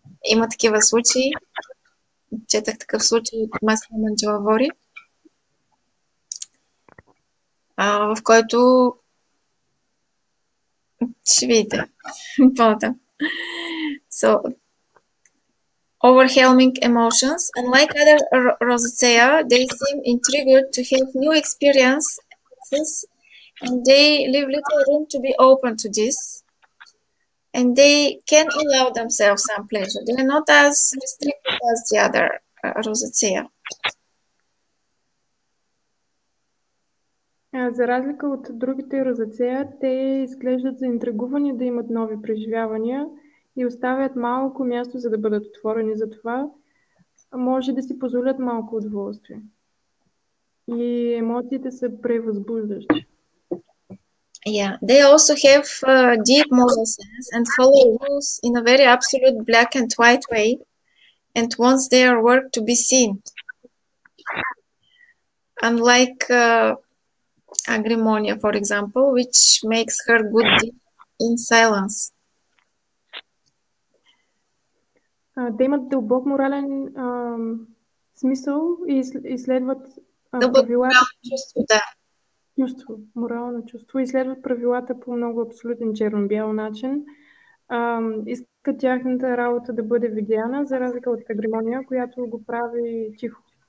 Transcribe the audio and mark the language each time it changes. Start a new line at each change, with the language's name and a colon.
Bulgarian: Има такива случаи. Четах такъв случай от Масло Манджела Вори, в който ще видите по-натам.
English: So, overwhelming emotions. Unlike other Rosacea, they seem intrigued to have new experiences and they leave little room to be open to this. And they can allow themselves some pleasure. They are not as restricted as the other Rosacea.
Bulgarian: За разлика от другите Rosacea, те изглеждат заинтригувани да имат нови преживявания и оставят малко място, за да бъдат отворени за това, може да си позволят малко удоволствие. И емоциите са превъзбуждащи.
English: Yeah, they also have deep moral sense and follow rules in a very absolute black and white way and wants their work to be seen. Unlike agrimonia, for example, which makes her good in silence.
Bulgarian: Те имат дълбок морален смисъл и изследват правилата. Чувство, морално чувство. Изследват правилата по много абсолютен черно-бял начин. Искат тяхната работа да бъде видяна, за разлика от агримония, която го прави тихо.